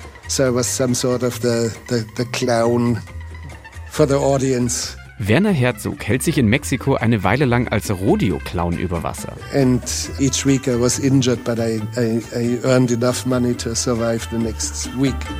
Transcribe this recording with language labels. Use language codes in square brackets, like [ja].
[en] So I was some sort of the clown for the audience. [de] Werner Herzog hält sich in Mexiko eine Weile lang als Rodeo-Clown über Wasser. [en] And each week I was injured, but I earned enough money to survive the next week.